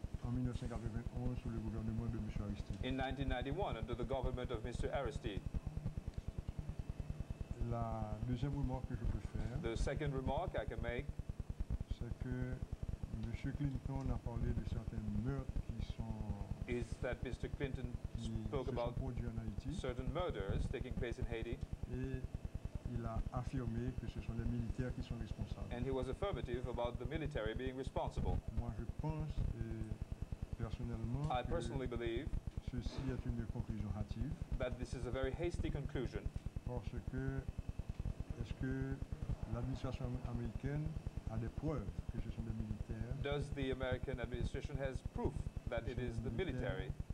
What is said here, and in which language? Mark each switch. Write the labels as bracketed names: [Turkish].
[French] En 1991, sous le gouvernement de M. Aristide. [English] In 1991, under the government of Mr. Aristide. [French] La deuxième remarque que je peux faire. [English] The second remark I can make. [French] C'est que M. Clinton a parlé de certains meurtres qui sont. [English] Is that Mr. Clinton spoke about certain murders taking place in Haiti? [French] Et il a affirmé que ce sont les militaires qui sont responsables. [English] And he was affirmative about the military being responsible. [French] Moi, je pense. Personnellement, [English] I personally believe [French] ceci est une conclusion hâtive. [English] That this is a very hasty conclusion. [French] Parce que est-ce que l'administration américaine a des preuves que ce sont des militaires? [English] Does the American administration has proof that it is the military